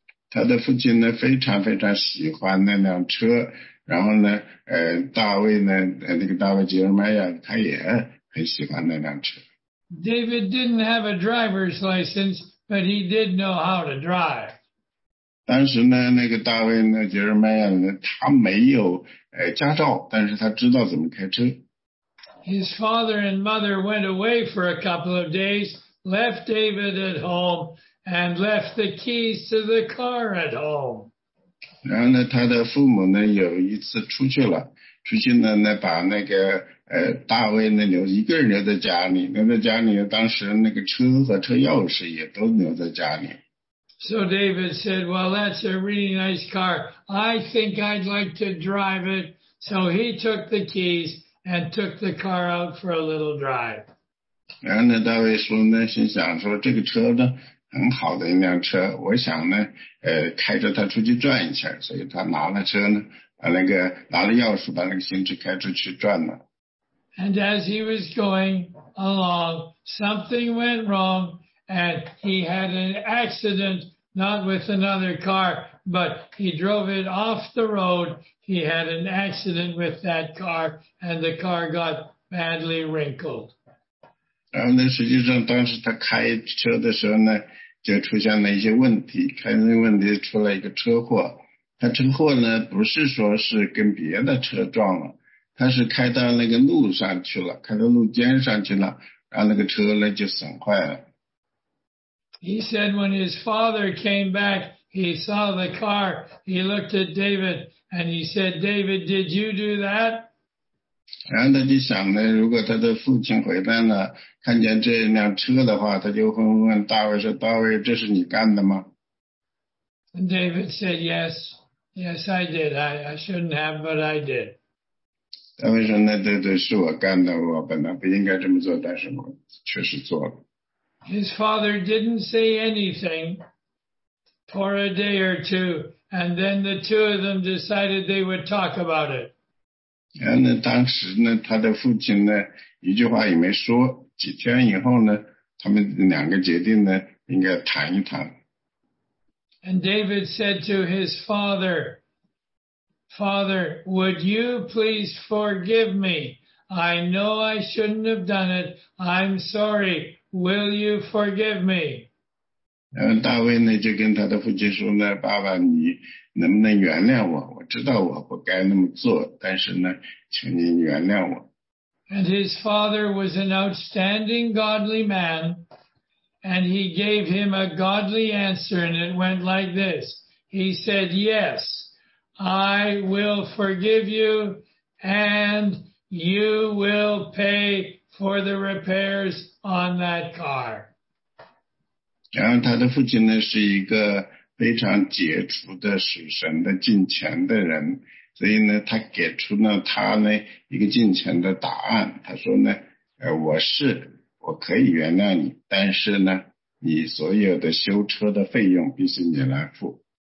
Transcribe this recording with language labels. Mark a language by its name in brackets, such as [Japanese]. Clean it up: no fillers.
[Chinese] 他的父亲呢非常非常喜欢那辆车，然后呢，大卫呢，那个大卫杰尔麦亚他也很喜欢那辆车。 [English] David didn't have a driver's license, but he did know how to drive. [Chinese] 当时呢，那个大卫呢，杰尔麦亚呢，他没有驾照，但是他知道怎么开车。 [English] His father and mother went away for a couple of days, left David at home, and left the keys to the car at home. [Chinese] 然后呢，他的父母呢有一次出去了，出去呢那把那个大卫呢留一个人留在家里，留在家里，当时那个车和车钥匙也都留在家里。 [English] So David said, "Well, that's a really nice car. I think I'd like to drive it." So he took the keys. And took the car out for a little drive. [Chinese] 然后呢，大卫说呢，心想说这个车呢很好的一辆车，我想呢，开着它出去转一下，所以他拿了车呢，把那个拿了钥匙，把那个行车开出去转了。 [English] And as he was going along, something went wrong, and he had an accident, not with another car, but he drove it off the road. He had an accident with that car, and the car got badly wrinkled. [Chinese] 然后呢，实际上当时他开车的时候呢，就出现了一些问题，开那问题出了一个车祸。他车祸呢，不是说是跟别的车撞了。他是开到那个路上去了，开到路肩上去了，然后那个车呢就损坏了。 [English] He said when his father came back, he saw the car, he looked at David, and he said, David, did you do that? [Chinese] 然后他就想呢，如果他的父亲回来了，看见这辆车的话，他就会问大卫说，大卫，这是你干的吗？ [English] And David said, yes, yes, I did. I shouldn't have, but I did. [Chinese] 他们说那对对是我干的，我本来不应该这么做，但是我确实做了。 [English] His father didn't say anything for a day or two, and then the two of them decided they would talk about it. [Chinese] 然后呢，当时呢，他的父亲呢，一句话也没说。几天以后呢，他们两个决定呢，应该谈一谈。 [English] And David said to his father,Father, would you please forgive me? I know I shouldn't have done it. I'm sorry. Will you forgive me? [Chinese] 然后大卫呢就跟他的父亲说呢，爸爸，你能不能原谅我？我知道我不该那么做，但是呢，请你原谅我。 [English] And his father was an outstanding godly man, and he gave him a godly answer, and it went like this. He said, yes. I will forgive you, and you will pay for the repairs on that car. [Chinese] 然后他的父亲呢是一个非常杰出的属神的敬虔的人，所以呢他给出了他呢一个敬虔的答案。他说呢，我可以原谅你，但是呢，你所有的修车的费用必须你来付。